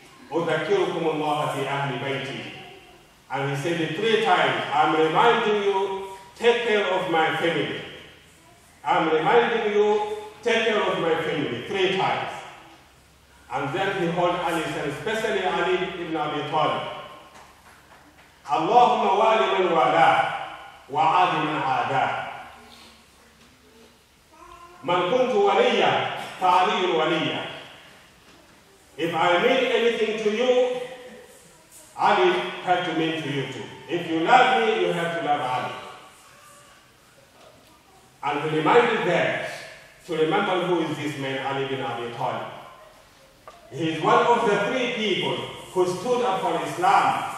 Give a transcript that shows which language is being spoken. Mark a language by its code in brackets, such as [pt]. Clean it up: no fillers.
[ar] Udhakirukum Allah fi ahli bayti. [en] And he said it three times. I'm reminding you, take care of my family. I'm reminding you, take care of my family. Three times. And then he called Ali, especially Ali ibn Abi Talib. [ar] Allahumma wali man wala. وعاد من عادا من كنت وليا فعلي وليا. [en] If I mean anything to you, Ali had to mean to you too. If you love me, you have to love Ali. And he reminded them to remember who is this man, Ali bin Abi Talib. He is one of the three people who stood up for Islam